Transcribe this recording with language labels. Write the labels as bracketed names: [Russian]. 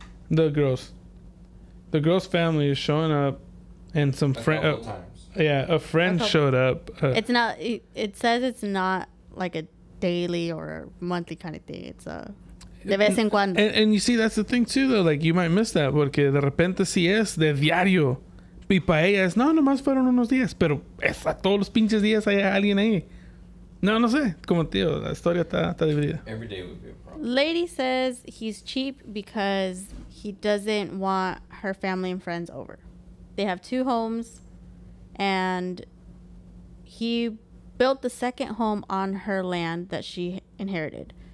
[English] The girl's family is showing up, and some friend. A friend showed up. It's not. It says it's not like a daily or monthly kind of thing. It's a [Spanish] de vez en cuando. [English] And you see, that's the thing too, though. Like you might miss that [Spanish] porque de repente sí es de diario. Y para ella es nomás fueron unos días, pero es a todos los pinches días hay alguien ahí. No sé. Como tío, la historia está dividida. [English] Every day would be a problem. Lady says he's cheap because he doesn't want her family and friends over. They have 2 homes, and he built the second home on her land that she inherited.